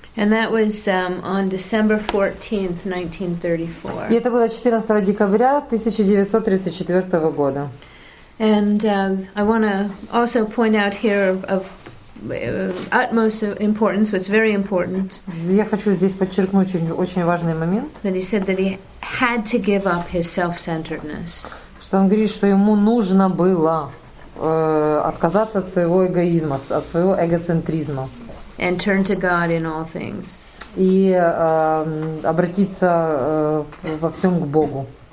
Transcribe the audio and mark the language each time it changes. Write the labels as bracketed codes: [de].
[en] And that was on December 14th, 1934. [ru] И это было 14 декабря 1934 года. [en] And I want to also point out here of utmost importance, what's very important. [ru] Я хочу здесь подчеркнуть очень, очень важный момент. [en] That he said that he had to give up his self-centeredness. [ru] Что он говорит, что ему нужно было отказаться от своего эгоизма, от своего эгоцентризма. [en] And turn to God in all things. [ru] И обратиться во всем к Богу.